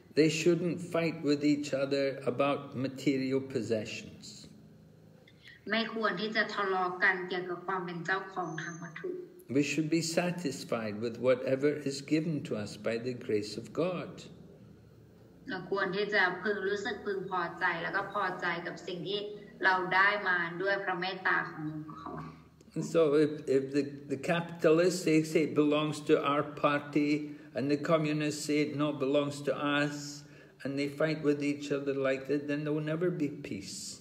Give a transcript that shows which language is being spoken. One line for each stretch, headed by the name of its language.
English: They shouldn't fight with each other about material possessions
Thai: ไม่ควรที่จะทะเลาะกันเกี่ยวกับความเป็นเจ้าของทางวัตถุ
English: We should be satisfied with whatever is given to us by the grace of God
Thai: เราควรที่จะพึงรู้สึกพึงพอใจแล้วก็พอใจกับสิ่งที่เราได้มาด้วยพระเมตตาของพระ
English: And so if the capitalists they say it belongs to our party and the communists say it no belongs to us and they fight with each other like that then there will never be peace.